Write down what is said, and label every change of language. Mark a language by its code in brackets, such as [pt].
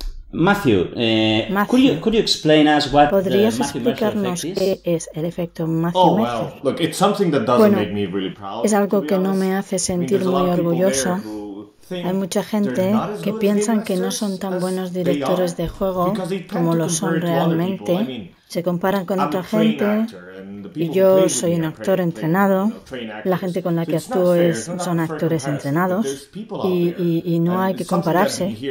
[en] Matthew, could you explain us what the Matthew Mercer effect is? [es] ¿Podrías explicarnos qué es el efecto Matthew Mercer? [en] Oh, well, look, it's something that doesn't make me really proud. [es] Es algo que no me hace sentir muy orgulloso. Hay mucha gente que piensan que no son tan buenos directores de juego como lo son realmente. Se comparan con otra gente y yo soy un actor entrenado. La gente con la que actúo son actores entrenados y no hay que compararse.